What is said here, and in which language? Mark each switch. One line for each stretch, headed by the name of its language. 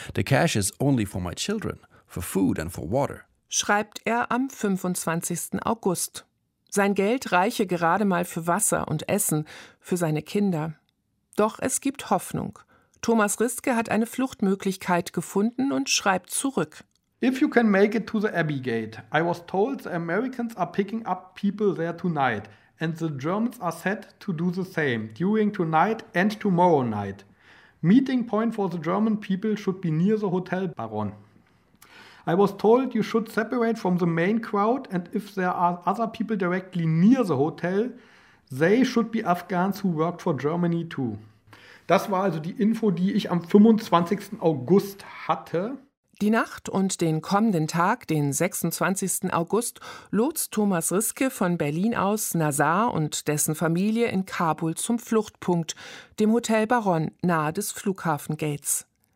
English: The cash is only for my children, for food and for water.
German: Schreibt er am 25. August. Sein Geld reiche gerade mal für Wasser und Essen, für seine Kinder. Doch es gibt Hoffnung. Thomas Riske hat eine Fluchtmöglichkeit gefunden und schreibt zurück.
English: If you can make it to the Abbey Gate, I was told the Americans are picking up people there tonight and the Germans are set to do the same during tonight and tomorrow night. Meeting point for the German people should be near the Hotel Baron. I was told you should separate from the main crowd and if there are other people directly near the hotel, they should be Afghans who worked for Germany too.
German: Das war also die Info, die ich am 25. August hatte. Die Nacht und den kommenden Tag, den 26. August, lotst Thomas Riske von Berlin aus Nazar und dessen Familie in Kabul zum Fluchtpunkt, dem Hotel Baron, nahe des Flughafengates.